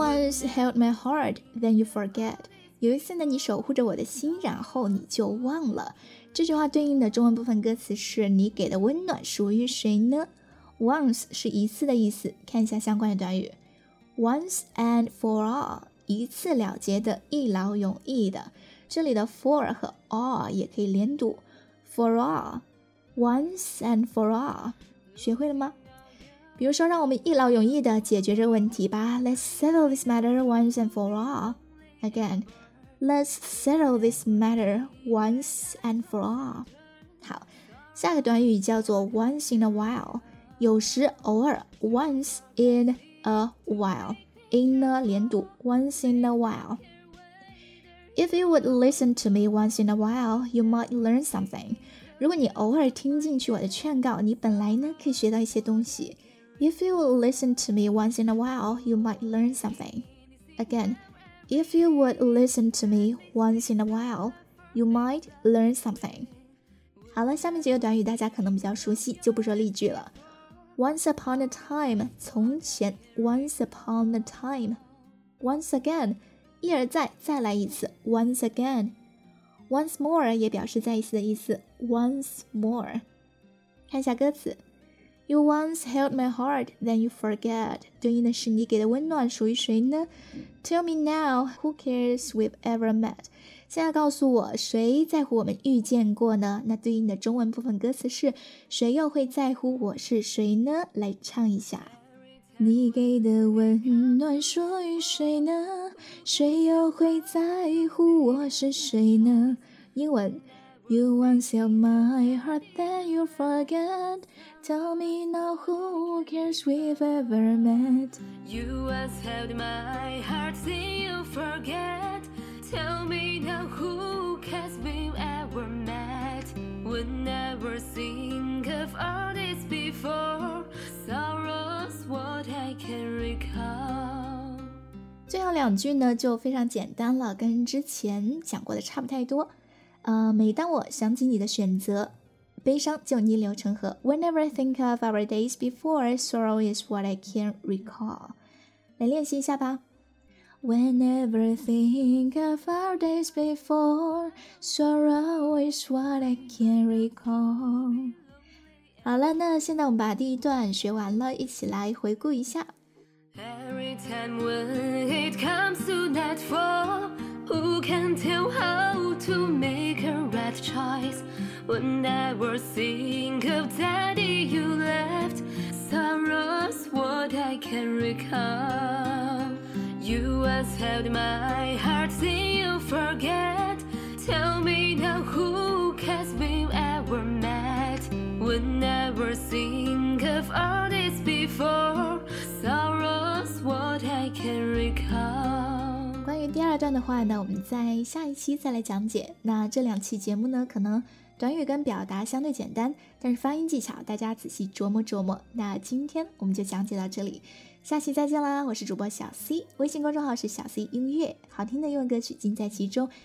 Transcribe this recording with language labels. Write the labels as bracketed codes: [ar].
[en] Venus held my heart, then you forget. [zh] 有一次呢，你守护着我的心，然后你就忘了。这句话对应的中文部分歌词是：你给的温暖属于谁呢？ Once 是一次的意思，看一下相关的短语。 [en] Once and for all, [zh] 一次了结的，一劳永逸的。这里的 for 和 all 也可以连读。 [en] For all, once and for all, [zh] 学会了吗？比如说让我们一劳永逸的解决这个问题吧。 [en] Let's settle this matter once and for all. Again, let's settle this matter once and for all. [zh] 好，下个短语叫做 [en] once in a while, [zh] 有时偶尔 [en] once in a while, in a [zh] 连读 [en] once in a while. If you would listen to me once in a while, you might learn something. [zh] 如果你偶尔听进去我的劝告，你本来呢可以学到一些东西。 [en] If you would listen to me once in a while, you might learn something. Again, if you would listen to me once in a while, you might learn something. [zh] 好了，下面几个短语大家可能比较熟悉，就不说例句了。 [en] Once upon a time, [zh] 从前。 [en] Once upon a time. Once again, [zh] 一而再，再来一次。 [en] Once again. Once more [zh] 也表示再一次的意思。 [en] Once more. [zh] 看一下歌词。 [en] You once held my heart, then you forget. [zh] 对应的是你给的温暖属于谁呢？ [en] Tell me now, who cares we've ever met? [zh] 现在告诉我，谁在乎我们遇见过呢？那对应的中文部分歌词是，谁又会在乎我是谁呢？来唱一下。你给的温暖属于谁呢？谁又会在乎我是谁呢？英文。 [en] You once held my heart, then you forget. Tell me now, who cares we've ever met? You once held my heart, then you forget. Tell me now, who cares we've ever met? Would never think of all this before. Sorrow's what I can recall. [zh] 最后两句呢就非常简单了，跟之前讲过的差不太多。每当我想起你的选择，悲伤就逆流成河。 [en] Whenever I think of our days before, sorrow is what I can recall. [zh] 来练习一下吧。 [en] Whenever I think of our days before, sorrow is what I can recall. [zh] 好了，那现在我们把第一段学完了，一起来回顾一下。 [en] Every time when it comes to nightfall, who can tell how to make a right choice? Whenever think of daddy you left, sorrow's what I can recall. You once held my heart, then you forget. Tell me now, who cares we've ever met? Whenever think of all this before, sorrow's what I can recall. [zh] 第二段的话呢，我们在下一期再来讲解。那这两期节目呢，可能短语跟表达相对简单，但是发音技巧大家仔细琢磨琢磨。那今天我们就讲解到这里，下期再见啦！我是主播小 C， 微信公众号是小 C 音乐，好听的英文歌曲尽在其中。